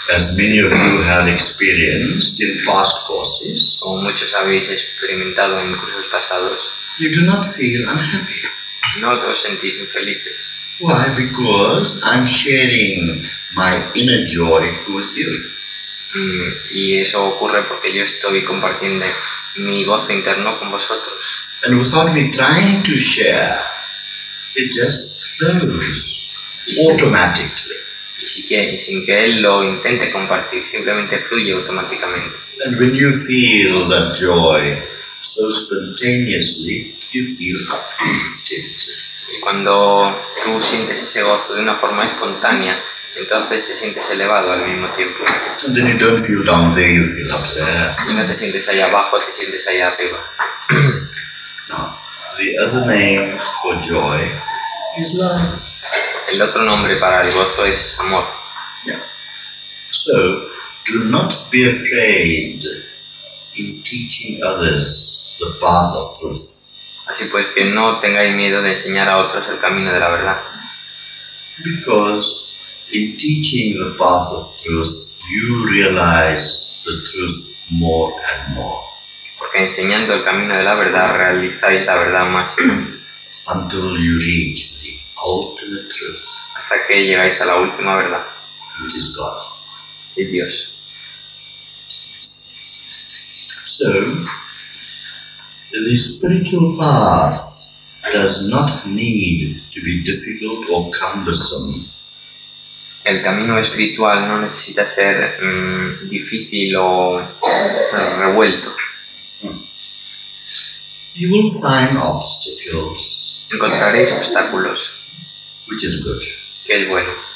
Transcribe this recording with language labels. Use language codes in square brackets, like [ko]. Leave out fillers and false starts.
[en] As many of you have experienced in past courses. [es] Como muchos habéis experimentado en cursos pasados. [en] You do not feel unhappy. [es] No te sentís infelices. [en] Why? Because I'm sharing my inner joy with you. [es] Y eso ocurre porque yo estoy compartiendo mi gozo interno con vosotros. [en] And without me trying to share, it just flows automatically. [es] Y sin que él lo intente compartir, simplemente fluye automáticamente. [en] And when you feel that joy so spontaneously, you feel uplifted. [es] Y cuando tú sientes ese gozo de una forma espontánea, entonces te sientes elevado al mismo tiempo. [en] And then you don't feel down there, you feel up there. [es] Y no te sientes allá abajo, te sientes allá arriba. [en] Now, the other name for joy is love. [es] El otro nombre para el gozo es amor. [en] Yeah. So, do not be afraid in teaching others the path of truth. [es] Así pues, que no tengáis miedo de enseñar a otros el camino de la verdad. [en] Because in teaching the path of truth, you realize the truth more and more. [es] Porque enseñando el camino de la verdad, realizáis la verdad más. [en] Until you reach the ultimate truth. [es] Hasta que llegáis a la última verdad. [en] Which is God. [es] Es Dios. [en] So, the spiritual path does not need to be difficult or cumbersome. [es] El camino espiritual no necesita ser difícil o revuelto. [en] You will find obstacles. [es] Encontraréis obstáculos. [en] Which is good. [es] Que es bueno.